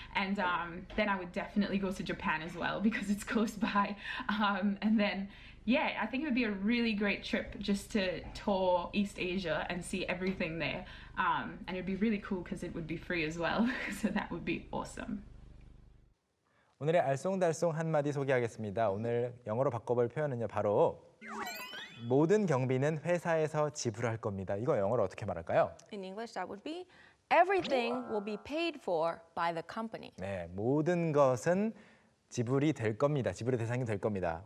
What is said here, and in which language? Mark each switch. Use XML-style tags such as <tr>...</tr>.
<en>And then I would definitely go to Japan as well because it's close by. And then, yeah, I think it would be a really great trip just to tour East Asia and see everything there. And it'd be really cool because it would be free as well. So that would be awesome.</en> <ko>오늘의 알쏭달쏭 한마디 소개하겠습니다. 오늘 영어로 바꿔볼 표현은요, 바로 모든 경비는 회사에서 지불할 겁니다. 이거 영어로 어떻게 말할까요?</ko> <en>In English, that would be everything will be paid for by the company.</en> <ko>네, 모든 것은 지불이 될 겁니다. 지불의 대상이 될 겁니다.</ko>